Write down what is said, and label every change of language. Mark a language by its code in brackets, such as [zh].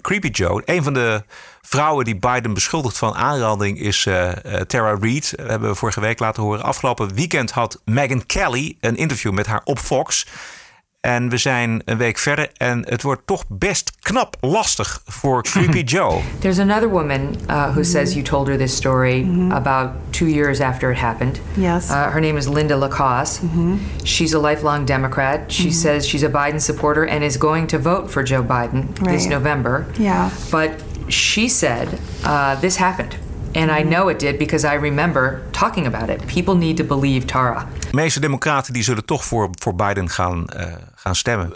[nl] Creepy Joe, een van de vrouwen die Biden beschuldigt van aanranding is Tara Reid. Dat hebben we vorige week laten horen. Afgelopen weekend had Megyn Kelly een interview met haar op Fox. En we zijn een week verder en het wordt toch best knap lastig voor Creepy Joe. [en] There's another woman who says you told her this story about 2 years after it happened. Yes. Her name is Linda LaCosse. Mm-hmm. She's a lifelong Democrat. She says she's a Biden supporter and is going to vote for Joe Biden this November. Yeah. But she said this happened. And I know it did because I remember talking about it. People need to believe Tara. [nl] De meeste democraten die zullen toch voor Biden gaan stemmen.